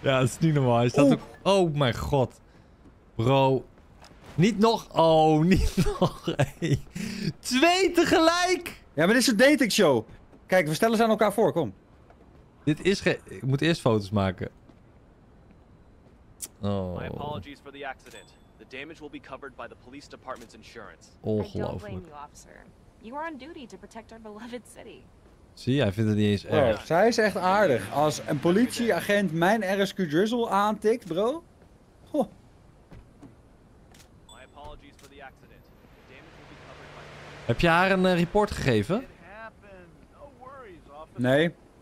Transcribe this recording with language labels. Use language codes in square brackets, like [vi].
[nl] Ja, dat is niet normaal. Is dat ook... Oh, mijn god. Bro... Niet nog. Oh, niet nog. Hey. 2 tegelijk. Ja, maar dit is een dating show. Kijk, we stellen ze aan elkaar voor, kom. Dit is geen... Ik moet eerst foto's maken. [en] Oh. My apologies for the accident. The damage will be covered by the police department's insurance. [nl] Ongelooflijk. [en] I don't blame you, officer. You are on duty to protect our beloved city. [nl] Zie, hij vindt het niet eens erg. Bro, zij is echt aardig. Als een politieagent mijn RSQ Drizzle aantikt, bro. [en] My apologies for the accident. The damage will be covered by... [nl] Heb je haar een report gegeven? [en] No worries, officer. Nee.